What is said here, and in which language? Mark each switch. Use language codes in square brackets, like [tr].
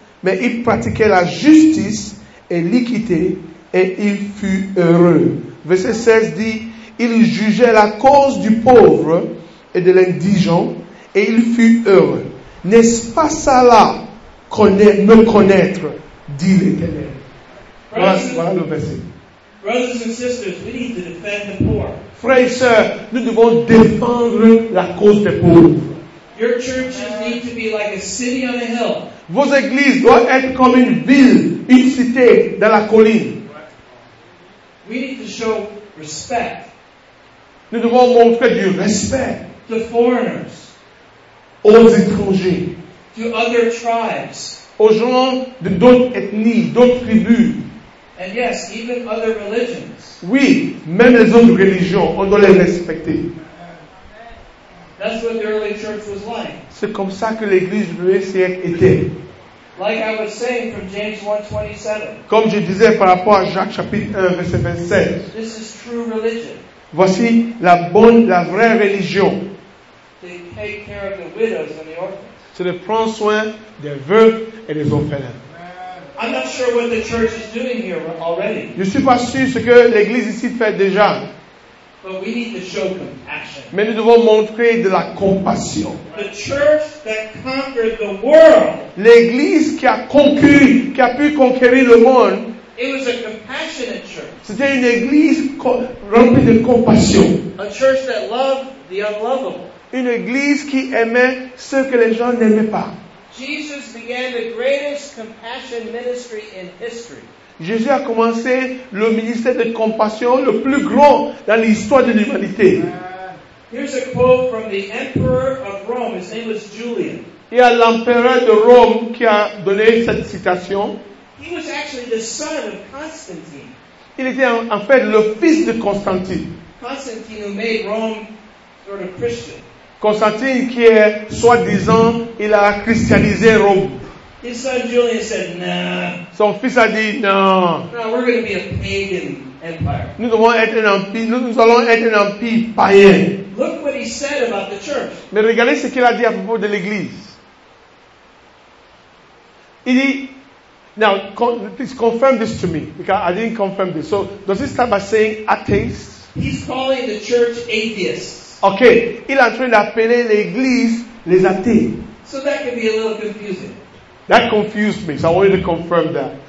[fr] Mais il pratiquait la justice et l'équité et il fut heureux. Verset 16 dit, il jugeait la cause du pauvre et de l'indigent. Et il fut heureux. N'est-ce pas ça là, me connaître, dit l'Éternel. Voilà le verset. [en] Brothers and sisters, we need to defend the poor. [fr] Frères et sœurs, nous devons défendre la cause des pauvres. [en] Your churches need to be like a city on a hill. [fr] Vos églises doivent être comme une ville, une cité dans la colline. [en] We need to show respect. [fr] Nous devons montrer du respect. [en] To foreigners. [fr] Aux étrangers, [en] to other tribes, [fr] aux gens de d'autres ethnies, d'autres tribus, [en] and yes, even other religions. [fr] Oui, même les autres religions, on doit les respecter. [en] That's what the early church was like. [fr] C'est comme ça que l'Église du premier siècle était. [en] Like I was saying from James 1:27. [fr] Comme je disais par rapport à Jacques chapitre 1 verset 27. [en] This is true religion. [fr] Voici la vraie religion. [en] Take care of the widows and the orphans. [fr] C'est de prendre soin des veuves et des orphelins. [en] I'm not sure what the church is doing here already. [fr] Je ne suis pas sûr ce que l'Église ici fait déjà. [en] But we need to show compassion. [fr] Mais nous devons montrer de la compassion. [en] The church that conquered the world. [fr] L'Église qui a pu conquérir le monde. [en] It was a compassionate church. [fr] C'était une Église remplie de compassion. [en] A church that loved the unlovable. [fr] Une église qui aimait ce que les gens n'aimaient pas. [en] Jesus began the greatest compassion ministry in history. [fr] Jésus a commencé le ministère de compassion le plus grand dans l'histoire de l'humanité. [en] Here's a quote from the emperor of Rome. His name was Julian. [fr] Il y a l'empereur de Rome qui a donné cette citation. [en] He was actually the son of Constantine. [fr] Il était en fait le fils de Constantine. [en] Constantine who made Rome sort of Christian. [fr] Constantine qui est soi-disant, il a christianisé Rome. [en] His son Julian said, nah. [fr] Son fils a dit, non. [en] Nah, we're going to be a pagan empire. [fr] Nous devons être un empire, nous allons être un empire païen. [en] Look what he said about the church. [fr] Mais regardez ce qu'il a dit à propos de l'église. Il dit, [en] now, please confirm this to me, because I didn't confirm this. So, does he start by saying atheists? He's calling the church atheists. [fr] Okay, il est en train d'appeler l'église les athées. [en] So that can be a little confusing. That confused me, so I wanted to confirm that.